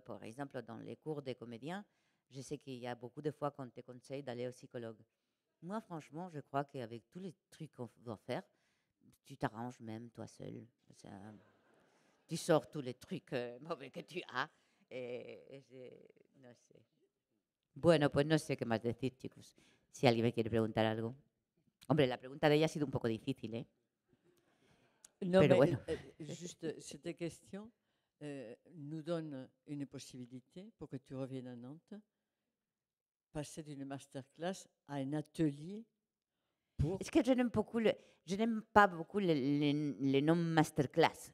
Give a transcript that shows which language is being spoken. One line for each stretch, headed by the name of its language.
French: Par exemple, dans les cours des comédiens, je sais qu'il y a beaucoup de fois qu'on te conseille d'aller au psychologue. Moi, franchement, je crois qu'avec tous les trucs qu'on doit faire, tu t'arranges même toi seul. Tu sors tous les trucs mauvais que tu as. Et je ne sais.
Spanish: Bueno, pues no sé qué más decir, chicos. Si alguien me quiere preguntar algo. Hombre, la pregunta de ella ha sido un poco difícil, ¿eh? No, pero bueno.
French: Juste cette question. Nous donne une possibilité pour que tu reviennes à Nantes, passer d'une masterclass à un atelier pour... Est-ce que je n'aime pas beaucoup les noms masterclass.